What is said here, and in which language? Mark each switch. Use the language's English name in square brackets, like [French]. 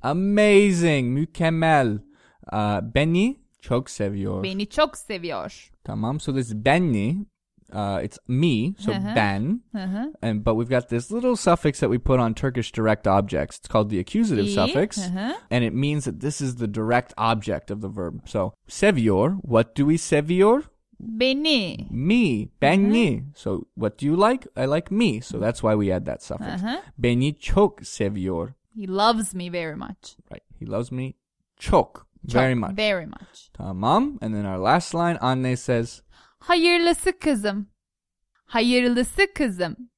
[English] Amazing. [Turkish] Mükemmel. Beni çok seviyor. Beni çok seviyor. Tamam. [English] So this beni, it's me, so ben. Uh-huh. And but we've got this little suffix that we put on Turkish direct objects. It's called the accusative suffix. Uh-huh. And it means that this is the direct object of the verb. So, seviyor, what do we seviyor? [Turkish] Beni. [English] Me. Beni. Uh-huh. So, what do you like? I like me. So, that's why we add that suffix. Uh-huh. [Turkish] Beni çok seviyor. [English] He loves me very much. Right. He loves me çok. Very much. Very much. [Turkish] Tamam. [English] And then our last line, anne says... [Turkish] Hayırlısı kızım. Hayırlısı kızım.